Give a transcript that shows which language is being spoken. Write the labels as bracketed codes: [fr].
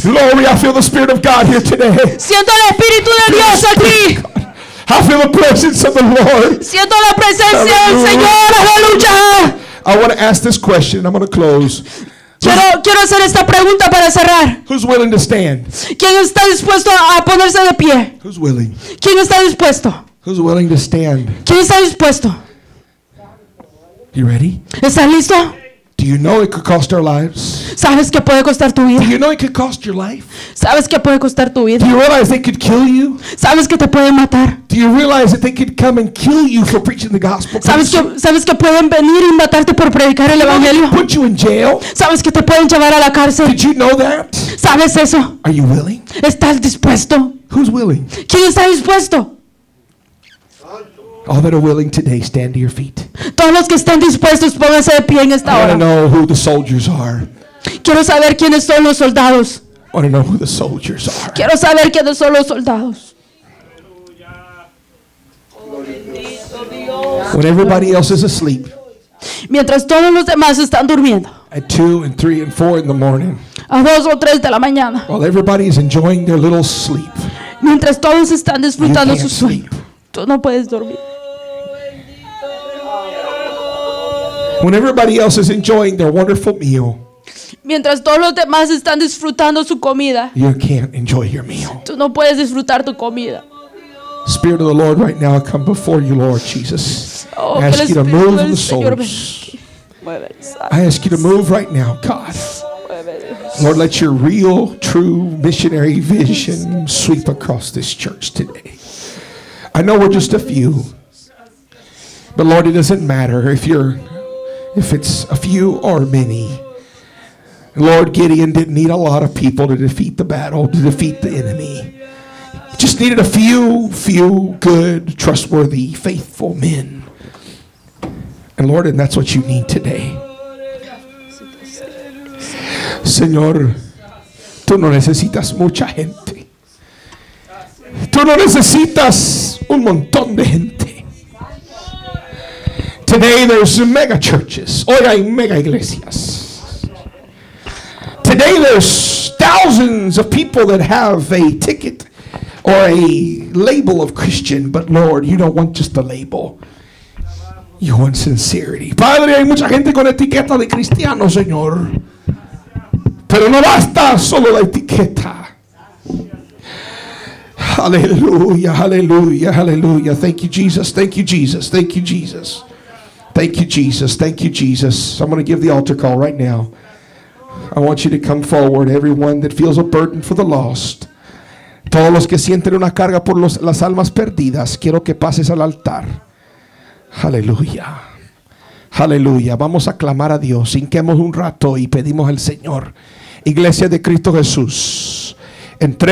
[en] Glory, I feel the Spirit of God here today. [es] Siento el Espíritu de Dios aquí. [en] I feel the presence of the Lord. [es] Siento la presencia del Señor. Aleluya. [en] I want to ask this question. I'm going to close. [es] Quiero hacer esta pregunta para cerrar. [en] Who's willing to stand? [es] ¿Quién está dispuesto a ponerse de pie? [en] Who's willing? [es] ¿Quién está dispuesto? [en] Who's willing to stand? [es] ¿Quién está dispuesto? [en] You ready? [es] ¿Estás listo? [en] Do you know it could cost our lives? [es] ¿Sabes que puede costar tu vida? [en] Do you know it could cost your life? [es] ¿Sabes que puede costar tu vida? [en] Do you realize they could kill you? [es] ¿Sabes que te pueden matar? [en] Do you realize that they could come and kill you for preaching the gospel? [es] ¿Sabes que pueden venir y matarte por predicar el evangelio? [en] They could put you in jail? [es] ¿Sabes que te pueden llevar a la cárcel? [en] Did you know that? [es] ¿Sabes eso? [en] Are you willing? [es] ¿Estás dispuesto? [en] Who's willing? [es] ¿Quién está dispuesto? [en] All that are willing today, stand to your feet. [es] Todos los que estén dispuestos, pónganse de pie en esta hora. [en] I want to know who the soldiers are. [es] Quiero saber quiénes son los soldados. [en] I want to know who the soldiers are. [es] Quiero saber quiénes son los soldados. [en] When everybody else is asleep. [es] Mientras todos los demás están durmiendo. [en] At 2 and 3 and 4 in the morning. [es] A 2 o 3 de la mañana. [en] While everybody is enjoying their little sleep. [es] Mientras todos están disfrutando su sueño. No puedes dormir. [en] When everybody else is enjoying their wonderful meal, [es] mientras todos los demás están disfrutando su comida, [en] you can't enjoy your meal. [es] Tú no puedes disfrutar tu comida. [en] Spirit of the Lord, right now, I come before you, Lord Jesus. Oh, I ask you to move the souls. [es] Mueve, [en] I ask you to move right now, God. Lord, let your real, true missionary vision sweep across this church today. I know we're just a few, but Lord, it doesn't matter if it's a few or many. Lord, Gideon didn't need a lot of people to defeat the battle, to defeat the enemy. He just needed a few good, trustworthy, faithful men. And Lord, and that's what you need today. [es] Señor, tú no necesitas mucha gente. Tú no necesitas un montón de gente. [en] Today there's mega churches. [es] Hoy hay mega iglesias. [en] Today there's thousands of people that have a ticket or a label of Christian, but Lord, you don't want just the label. You want sincerity. [es] Padre, hay mucha gente con etiqueta de cristiano, Señor. Pero no basta solo la etiqueta. [en] Hallelujah, hallelujah, hallelujah. Thank you, Jesus. [es] Thank you, Jesus. Thank you, Jesus. Thank you, Jesus. [en] Thank you, Jesus. I'm going to give the altar call right now. I want you to come forward, everyone that feels a burden for the lost. [es] Todos los que sienten una carga por las almas perdidas, quiero que pases al altar. [en] Hallelujah. Hallelujah. [es] Vamos a clamar a Dios. Hinquemos un rato y pedimos al Señor. Iglesia de Cristo Jesús. Entremos.